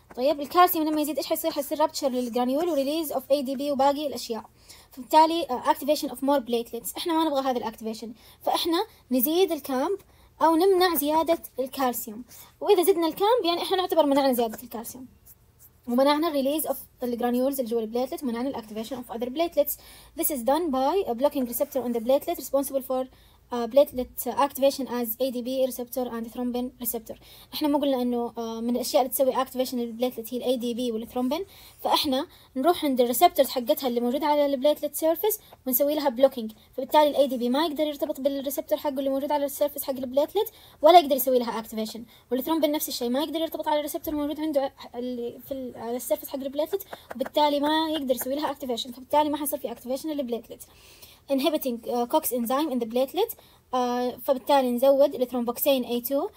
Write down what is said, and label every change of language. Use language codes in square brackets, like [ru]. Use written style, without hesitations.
[ar] طيب الكالسيوم لما يزيد ايش حيصير؟ حيصير رابتشر للجرانيول وريليز اوف ADB وباقي الاشياء، فبالتالي اكتيفيشن اوف مور بليتلتس. احنا ما نبغى هذا الاكتيفيشن، فاحنا نزيد الكامب او نمنع زياده الكالسيوم. واذا زدنا الكامب يعني احنا نعتبر منعنا زياده الكالسيوم ومنعنا ريليز اوف الجرانيولز اللي جوا البليتلت، منعنا الاكتيفيشن اوف اذر بليتلتس. [en] This is done by a blocking receptor on the platelet responsible for platelet activation is ADB receptor and thrombin receptor. [ar] احنا مو قلنا انه من الاشياء اللي تسوي اكتيفيشن البليتلت هي ADB والثرومبين، فاحنا نروح عند الريسبتورز حقتها اللي موجوده على البليتلت سيرفيس ونسوي لها بلوكينج، فبالتالي ADB ما يقدر يرتبط بالريسبتور حقه اللي موجود على السيرفيس حق البليتلت ولا يقدر يسوي لها اكتيفيشن، والثرومبين نفس الشيء ما يقدر يرتبط على الريسبتور الموجود عنده اللي في على السيرفيس حق البليتلت، وبالتالي ما يقدر يسوي لها اكتيفيشن، فبالتالي ما حيصير في اكتيفيشن للبليتلت. [en] inhibiting cox enzyme in the platelet [ar] فبالتالي نزود الثرومبوكسين A2.